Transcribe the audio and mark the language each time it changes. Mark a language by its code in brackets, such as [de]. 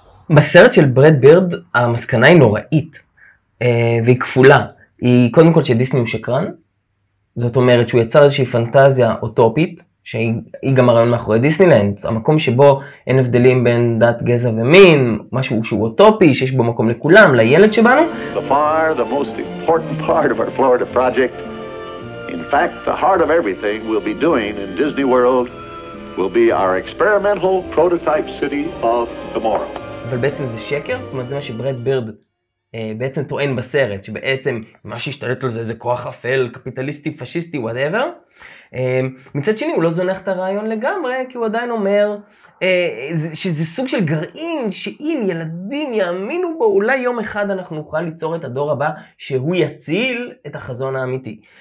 [he] בסרט של ברד בירד המסקנה היא נוראית והיא כפולה. היא קודם כל שדיסני הוא שקרן, זאת אומרת שהוא יצר איזושהי פנטזיה אוטופית, שהיא גם הרעיון מאחורי דיסנילנד, המקום שבו אין הבדלים בין דת, גזע ומין, משהו שהוא אוטופי, שיש בו מקום לכולם, לילד שבנו. [en] The far, the most important part of our Florida project, in fact, the heart of everything we'll be doing in Disney World, will be our experimental prototype city of tomorrow. [he] אבל בעצם זה שקר, זאת אומרת זה מה שברד בירד בעצם טוען בסרט, שבעצם מה שהשתלט על זה זה כוח אפל, קפיטליסטי, פשיסטי, whatever. מצד שני הוא לא זונח את הרעיון לגמרי, כי הוא עדיין אומר שזה סוג של גרעין, שאם ילדים יאמינו בו, אולי יום אחד אנחנו נוכל ליצור את הדור הבא שהוא יציל את החזון האמיתי.